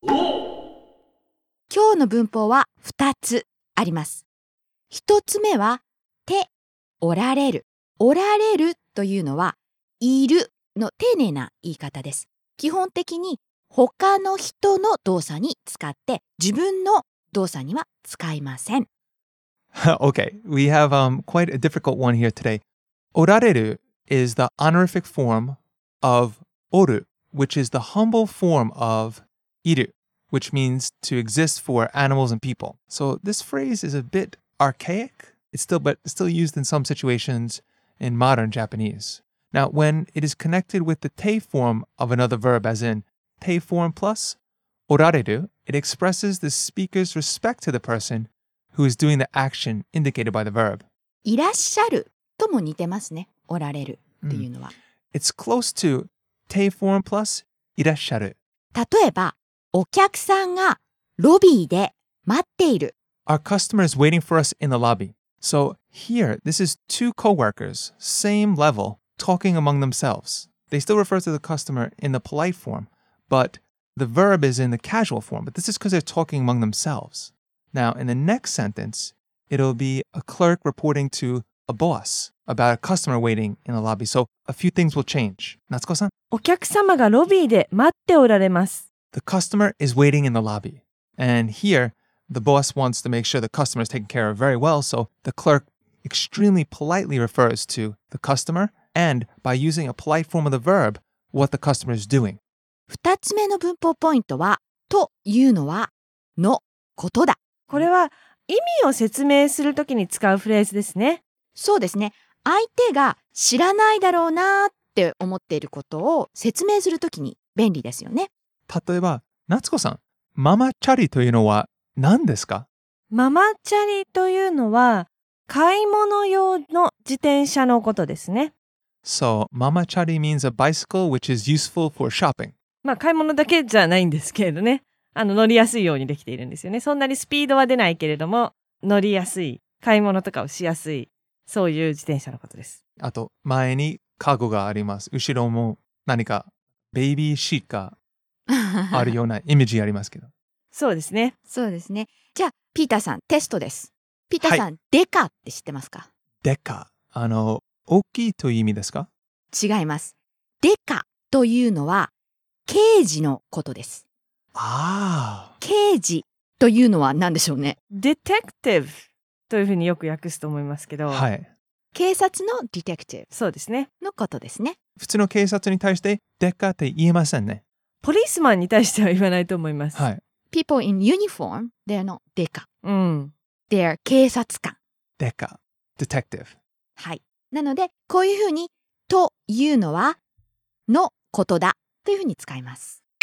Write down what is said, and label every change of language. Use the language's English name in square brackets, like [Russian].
[Japanese] 今日の文法は2つあります。一つ目は手、おられる。おられるというのはいるの丁寧な言い方です。基本的に他の人の動作に使って、自分の動作には使いません。 [English] Okay, we have、quite a difficult one here today. おられる is the honorific form of おる, which is the humble form of いる, which means to exist for animals and people. So this phrase is a bit archaic. It's still, but still used in some situations in modern Japanese. Now, when it is connected with the te form of another verb, as in te form plus orareru, it expresses the speaker's respect to the person who is doing the action indicated by the verb. [Japanese] いらっしゃるとも似てますね。おられるっていうのは。 [English] It's close to te form plus いらっしゃる。 [Japanese] 例えば、お客さんがロビーで待っている。 [English] Our customer is waiting for us in the lobby. So here, this is two coworkers, same level, talking among themselves. They still refer to the customer in the polite form, but the verb is in the casual form. But this is because they're talking among themselves. Now, in the next sentence, it'll be a clerk reporting to a boss about a customer waiting in the lobby. So a few things will change. Natsuko-san? [Japanese] お客様がロビーで待っておられます。 [English] The customer is waiting in the lobby. And here, the boss wants to make sure the customer is taken care of very well, so the clerk extremely politely refers to the customer, and by using a polite form of the verb, what the customer is doing. [Japanese] 2つ目の文法ポイントは、というのは、のことだ。これは意味を説明するときに使うフレーズですね。そうですね。相手が知らないだろうなって思っていることを説明するときに便利ですよね。例えば、夏子さん、ママチャリというのは何ですか？ママチャリというのは、買い物用の自転車のことですね。 So, ママチャリ means a bicycle which is useful for shopping. まあ、買い物だけじゃないんですけれどね。乗りやすいようにできているんですよね。そんなにスピードは出ないけれども、乗りやすい、買い物とかをしやすい、そういう自転車のことです。あと、前にカゴがあります。後ろも何か、ベイビーシートがあるようなイメージありますけど。そうですね。そうですね。じゃあ、ピーターさん、テストです。ピーターさん、はい、デカって知ってますか？デカ。大きいという意味ですか？違います。デカというのは、刑事のことです。ああ。刑事というのは何でしょうね？ディテクティブというふうによく訳すと思いますけど、はい。警察のディテクティブ。そうですね。のことですね。普通の警察に対して、デカって言えませんね。ポリスマンに対しては言わないと思います。はい。 [English] People in uniform, they're not デカ。 [Japanese] うん。 [English] They're 警察官。 [Japanese] デカ。Detective. はい。なので、こういうふうに、というのは、のことだ。というふうに使います。